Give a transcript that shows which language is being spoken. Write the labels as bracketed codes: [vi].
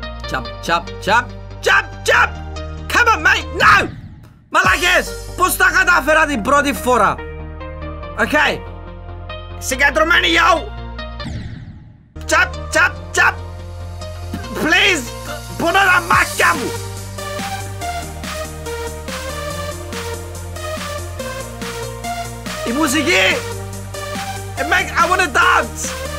[en] Jump, jump, jump, jump, jump! Come on, mate, no! [el] Μαλάκες, πώς τα κατάφερα την πρώτη φορά? Okay, συγκεντρωμένοι, yo! [en] Jump, jump, jump! [el] Please, πούνε τα μάτια μου! Η μουσική! [en] I wanna dance!